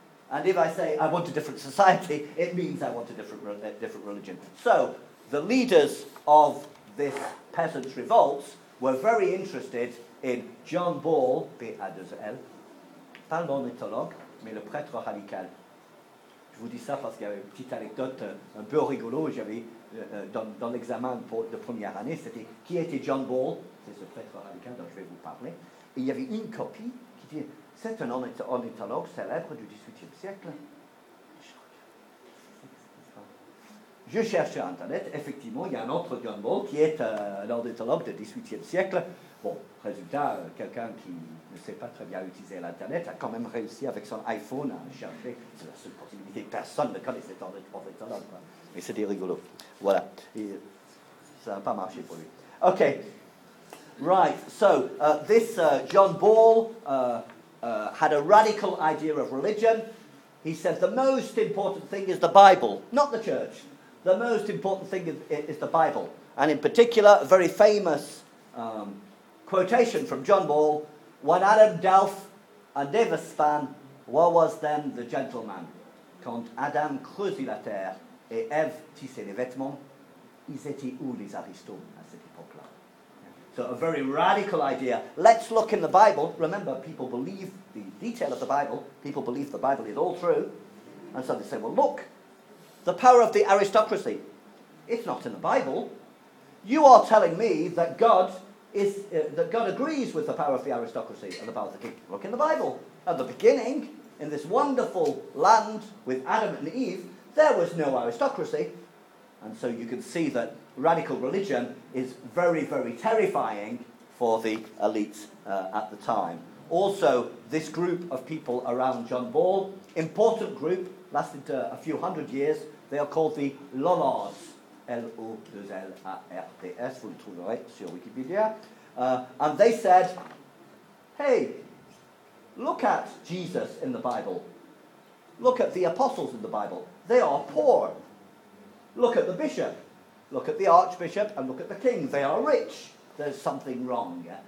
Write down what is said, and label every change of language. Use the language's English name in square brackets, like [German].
[English] And if I say, I want a different society, it means I want a different religion. So the leaders of this peasants' revolt were very interested in John Ball, B-A-2-L, [French] pas le bon ethologue, mais le prêtre radical. Je vous dis ça parce qu'il y avait une petite anecdote un peu rigolo, j'avais... Dans l'examen de première année, c'était qui était John Ball, c'est ce prêtre radical dont je vais vous parler. Et il y avait une copie qui dit c'est un ornithologue célèbre du XVIIIe siècle. Je cherche sur internet, effectivement, il y a un autre John Ball qui est l'ornithologue du XVIIIe siècle. Bon, résultat, quelqu'un qui ne sait pas très bien utiliser l'internet a quand même réussi avec son iPhone à chercher. C'est la seule possibilité, personne ne connaît cet ornithologue. Quoi. Et c'était rigolo. Voilà. Et ça n'a pas marché pour lui. [English] OK. Right. So, this John Ball had a radical idea of religion. He said the most important thing is the Bible, not the church. The most important thing is the Bible. And in particular, a very famous quotation from John Ball, when Adam Delf and Eva span, what was then the gentleman? [French] Quand Adam creusit la terre, et Ève tissait les vêtements, ils étaient où les aristos à cette époque-là? [English] So a very radical idea. Let's look in the Bible. Remember, people believe the detail of the Bible. People believe the Bible is all true. And so they say, well, look, the power of the aristocracy. It's not in the Bible. You are telling me that God agrees with the power of the aristocracy and the power of the king. Look in the Bible. At the beginning, in this wonderful land with Adam and Eve, there was no aristocracy, and so you can see that radical religion is very, very terrifying for the elites at the time. Also, this group of people around John Ball, important group, lasted a few hundred years, they are called the Lollards. [French] L-O-2-L-A-R-T-S, vous le trouverez sur Wikipedia. [English] And they said, hey, look at Jesus in the Bible. Look at the apostles in the Bible. They are poor. Look at the bishop. Look at the archbishop and look at the king. They are rich. There's something wrong. Yeah?